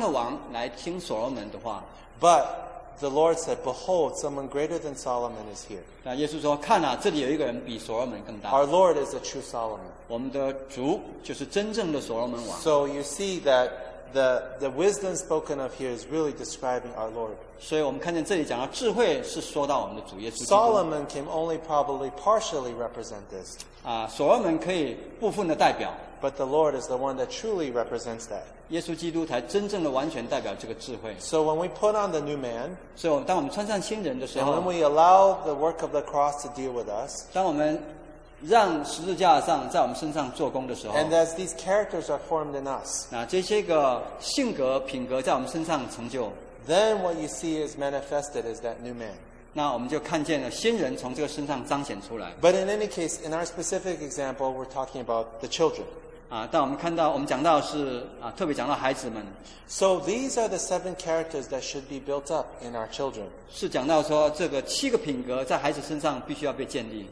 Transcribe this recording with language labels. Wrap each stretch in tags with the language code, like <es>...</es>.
<zh>就是讲到说,耶稣讲到说,南方的王来听所罗门的话。</zh> <en>But the Lord said, behold, someone greater than Solomon is here.</en> <zh>耶稣说,看啊,这里有一个人比所罗门更大。</zh> <en>Our Lord is a true Solomon.</en> <zh>我们的主就是真正的所罗门王。</zh> <en>So you see that the wisdom spoken of here is really describing our Lord.</en> <zh>所以我们看见这里讲到智慧是说到我们的主耶稣基督。</zh> <en>Solomon can only probably partially represent this.</en> <zh>所罗门可以部分的代表。</zh> <en>But the Lord is the one that truly represents that.</en> <zh>耶稣基督才真正的完全代表这个智慧。</zh> <en>So when we put on the new man,</en> <zh>所以当我们穿上新人的时候,</zh> <en>and when we allow the work of the cross to deal with us,</en> <zh>让十字架上在我们身上做工的时候,</zh> <en>and as these characters are formed in us,</en> <zh>这些个性格品格在我们身上成就,</zh> <en>then what you see is manifested as that new man.</en> <zh>那我们就看见了新人从这个身上彰显出来。</zh> <en>But in any case, in our specific example, we're talking about the children.</en> <zh>但我们看到,我们讲到是,特别讲到孩子们。</zh> <en>So these are the seven characters that should be built up in our children.</en> <zh>是讲到说,这个七个品格在孩子身上必须要被建立。</zh>